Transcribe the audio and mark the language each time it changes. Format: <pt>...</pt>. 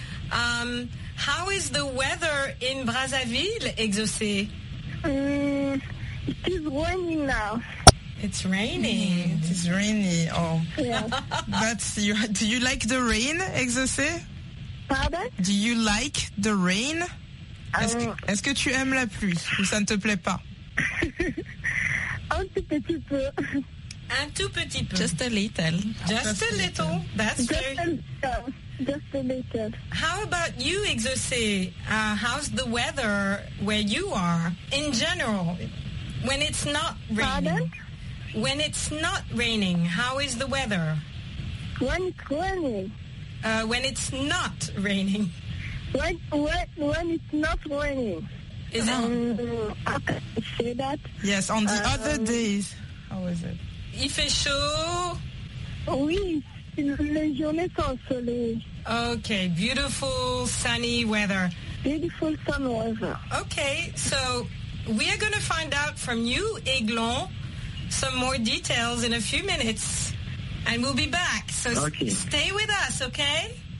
<en>How is the weather in Brazzaville, Exaucé? It is raining now. It's raining. Mm. It is rainy. Oh. Yes. Do you like the rain, Exaucé? Pardon? Do you like the rain?</en> <fr>Est-ce que tu aimes la pluie ou ça ne te plaît pas? Un tout petit peu. Un tout petit peu.</fr> <en>Just a little. Just a little. That's just very... Just a little. How about you, Exaucé? How's the weather where you are in general? When it's not raining. Pardon? When it's not raining, how is the weather? When it's raining. When it's not raining. When it's not raining. Is it? How can I say that? Yes, on the other days. How is it?</en> <fr>Il fait chaud. Oui, les journées sont soleil.</fr> <en>Okay, beautiful sunny weather. Beautiful sun weather. Okay, so we are going to find out from you, Eglon, some more details in a few minutes, and we'll be back. So stay with us, okay?</en>